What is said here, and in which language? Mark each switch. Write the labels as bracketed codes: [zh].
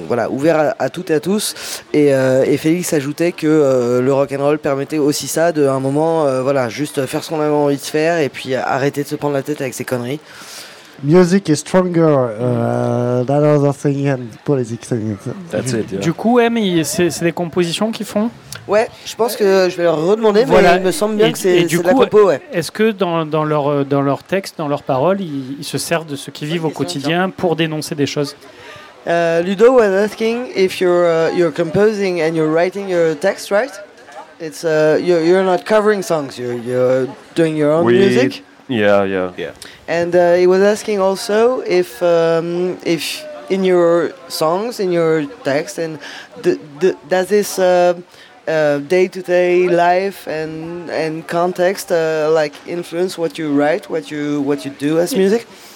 [fr] Ouverts à toutes et à tous. Et Félix ajoutait que le rock'n'roll permettait aussi ça, de un moment, juste faire ce qu'on avait envie de faire et puis arrêter de se prendre la tête avec ses conneries. [en] Music is stronger than other things and politics. That's it, yeah. [fr] Du coup, c'est des compositions qu'ils font? Ouais, je pense que je vais leur redemander, mais il me semble bien que c'est coup, de la compo, ouais. Est-ce que dans leur texte, dans leurs paroles, ils se servent de ce qu'ils vivent au quotidien pour dénoncer des choses? [en] Ludo was asking if you're composing and you're writing your text, right? It's you're not covering songs. You're doing your own music. Yeah. And he was asking also if in your songs, in your text, and does this day-to-day life and context like influence what you write, what you do as music?